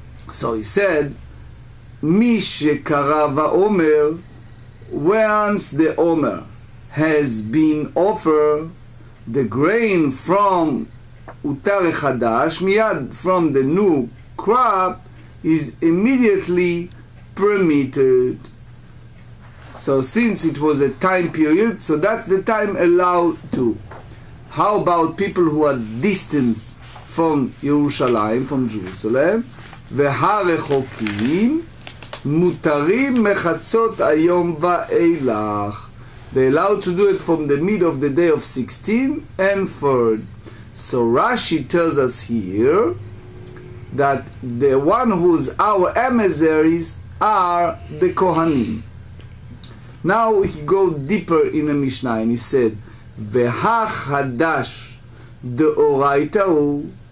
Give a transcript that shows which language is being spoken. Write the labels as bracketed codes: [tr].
[en] So he said, [he] "Mi shekarav haomer, [en] once the omer has been offered, the grain from [he] utar echadash miyad, [en] from the new crop, is immediately permitted." So since it was a time period, so that's the time allowed to. How about people who are distant from Yerushalayim, from Jerusalem? [he] והרחוקים מותרים מחצות היום ואילך. [en] They allowed to do it from the mid of the day of 16 and forward. So Rashi tells us here that the one who's our emissaries are the Kohanim. Now he go deeper in the Mishnah and he said, [he] והחדש דאורייתא הוא.